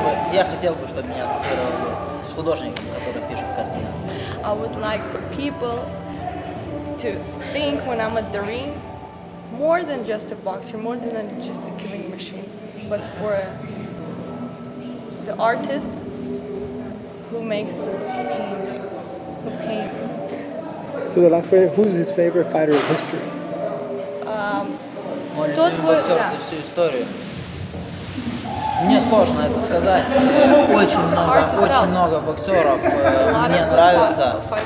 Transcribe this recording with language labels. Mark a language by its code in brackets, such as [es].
[ru] Я хотел бы, чтобы меня ассоциировали с художником, который пишет картины. [en] I would like for people to think when I'm at the ring more than just a boxer, more than just a killing machine, but for the artist who makes paint, who paints. So the last question, who's his favorite fighter in history? [ru] Мне сложно это сказать. Очень много боксеров мне нравится.